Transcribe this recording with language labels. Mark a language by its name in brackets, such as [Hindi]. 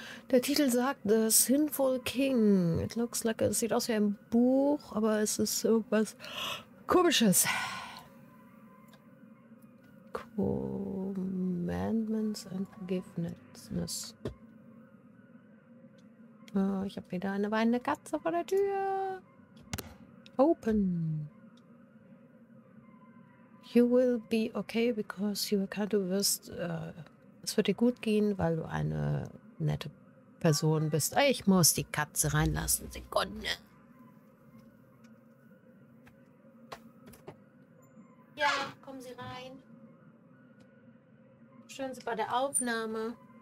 [German] Der Titel sagt The Sinful King. [English] It looks like, [German] es sieht aus wie ein Buch, aber es ist irgendwas Komisches. [English] Commandments and Forgiveness. [German] Ich habe wieder eine weinende Katze vor der Tür. [English] Open. You will be okay because you are kind of worst. [German] Es wird dir gut gehen, weil du eine nette Person bist. Ich muss die Katze reinlassen. Sekunde. Ja, kommen Sie rein. Stören Sie bei der Aufnahme.